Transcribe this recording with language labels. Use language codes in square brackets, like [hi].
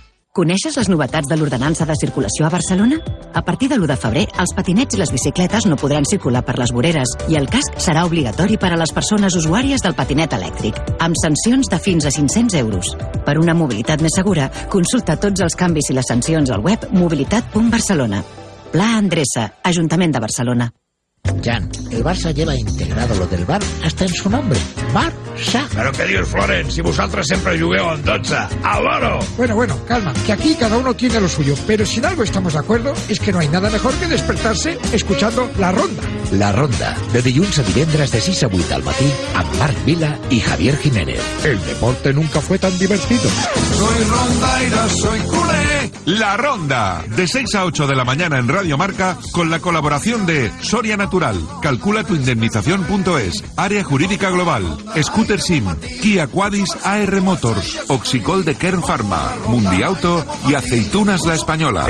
[ca] Coneixes les novetats de l'ordenança de circulació a Barcelona? A partir de l'1 de febrer, els patinets i les bicicletes no podran circular per les voreres i el casc serà obligatori per a les persones usuàries del patinet elèctric, amb sancions de fins a 500 euros. Per una mobilitat més segura, consulta tots els canvis i les sancions al web mobilitat.barcelona. Pla Andressa, Ajuntament de Barcelona. [es] Jan, el Barça lleva integrado lo del bar hasta en su nombre. Barça. [ca] Però què dius, Florent? Si vosaltres sempre jugueu en 12. [es] ¡Al oro! Bueno, bueno, calma, que aquí cada uno tiene lo suyo. Pero si en algo estamos de acuerdo es que no hay nada mejor que despertarse escuchando La Ronda. [ca] La Ronda, de dilluns a divendres de 6 a 8 al matí, amb Marc Vila i Javier Jiménez. [es] El deporte nunca fue tan divertido. Soy rondaira, soy culé. La Ronda, de 6 a 8 de la mañana en Radio Marca, con la colaboración de Soria Natural, calculatuindemnización.es, Área Jurídica Global, Scooter Sim, Kia Quadis AR Motors, Oxicol de Kern Pharma, Mundiauto y Aceitunas La Española.